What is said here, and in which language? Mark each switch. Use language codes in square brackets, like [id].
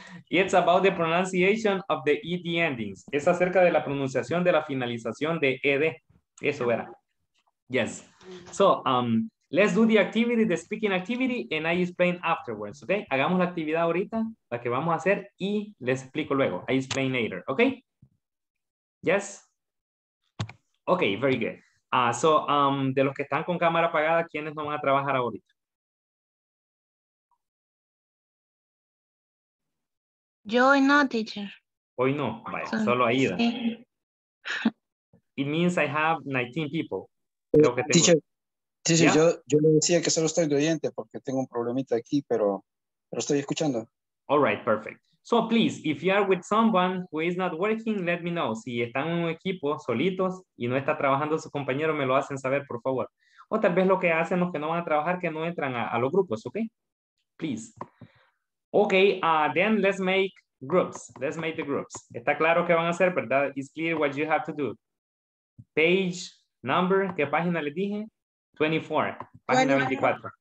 [en] It's about the pronunciation of the ED endings. [es] Es acerca de la pronunciación de la finalización de ED. Eso era. Yes. [en] So, let's do the activity, the speaking activity, and I explain afterwards, okay? [es] Hagamos la actividad ahorita, la que vamos a hacer, y les explico luego. [en] I explain later, okay? Yes? Okay, very good. [es] De los que están con cámara apagada, ¿quiénes no van a trabajar ahorita? Yo hoy no, teacher. Hoy no, vaya, solo Aida. Sí. [en] It means I have 19 people. [es] Creo que tengo... Teacher, teacher, yo le decía que solo estoy de oyente porque tengo un problemita aquí, pero estoy escuchando. [en] All right, perfect. So please, if you are with someone who is not working, let me know. [es] Si están en un equipo solitos y no está trabajando su compañero, me lo hacen saber, por favor. O tal vez lo que hacen los que no van a trabajar, que no entran a los grupos, ¿ok? [en] Please. Ok, then let's make groups. Let's make the groups. [es] Está claro qué van a hacer, ¿verdad? [en] It's clear what you have to do. Page number, [es] ¿qué página les dije? 24. Página 24.